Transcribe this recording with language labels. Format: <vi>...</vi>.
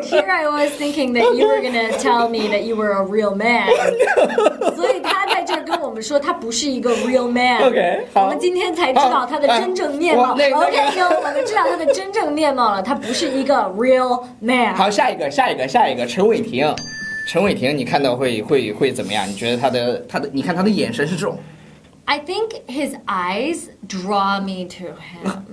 <en>And here I was thinking that you were gonna tell me that you were a real man，</en> <zh>所以他。跟我们说他不是一个</zh> <en>real man。</en> <zh>OK， 好，我们今天才知道他的真正面貌。我们知道他的真正面貌了，他不是一个</zh> <en>real man。</en> <zh>好，下一个，陈伟霆，你看到会怎么样？你觉得他的，你看他的眼神是这种</zh> <en>？I think his eyes draw me to him。</en>